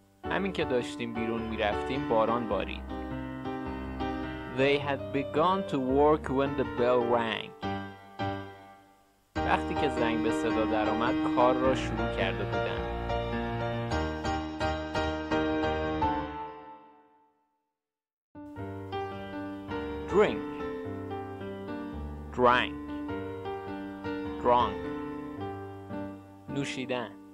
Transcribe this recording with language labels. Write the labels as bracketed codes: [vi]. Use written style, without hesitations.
[fa] همین که داشتیم بیرون می رفتیم باران بارید. [en] They had begun to work when the bell rang. [fa] وقتی که زنگ به صدا در آمد کار را شروع کرده بودن. [en] Drink. Drank. Drunk. [fa] نوشیدن.